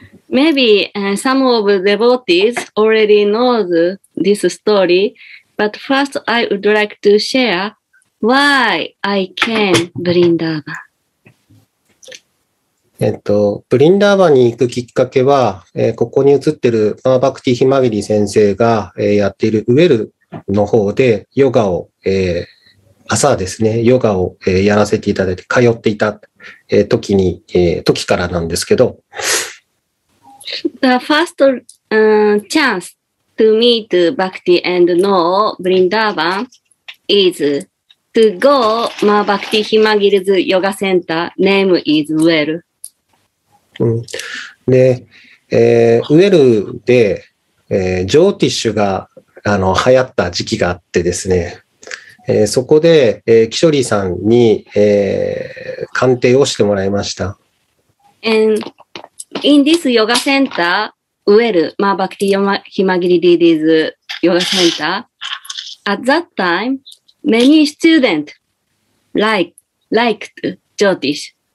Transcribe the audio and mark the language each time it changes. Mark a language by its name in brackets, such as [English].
[English] Maybe some of the devotees already knows this story, but first I would like to share why I came Vrindavan. [Japanese] ブリンダーバンに行くきっかけは、ここに映ってるマーバクティ・ヒマゲリ先生が、やっているウェルの方でヨガを、朝ですね、ヨガを、やらせていただいて、通っていた、時に、時からなんですけど、 [English] The first chance to meet Bhakti and know Vrindavan is to go to Bhakti Himagiri's yoga center. Name is Well. [Japanese] で、ウェルで、ジョーティッシュが流行った時期があってですね、そこで、キショリーさんに、鑑定をしてもらいました。 [English] And in this yoga center, Well, Ma Bhakti Himagiri Didi's yoga center, at that time, many students liked Jyotish.